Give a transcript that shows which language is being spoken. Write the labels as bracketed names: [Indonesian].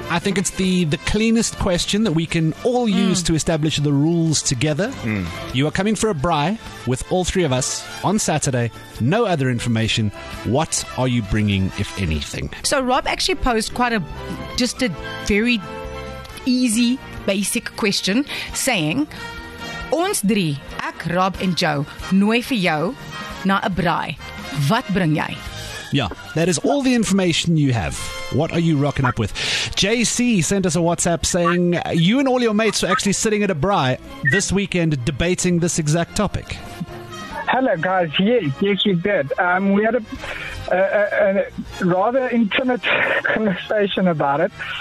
[English] I think it's the cleanest question that we can all use to establish the rules together. Mm. You are coming for a braai with all three of us on Saturday. No other information. What are you bringing, if anything? So, Rob actually posed just a very easy, basic question saying, [Afrikaans] Ons drie, ek, Rob en Joe, nooi vir jou na 'n braai. Wat bring jy? [English] Yeah, that is all the information you have. What are you rocking up with? JC sent us a WhatsApp saying you and all your mates are actually sitting at a braai this weekend debating this exact topic. Hello, guys. Yes, you did. We had a rather intimate conversation about it.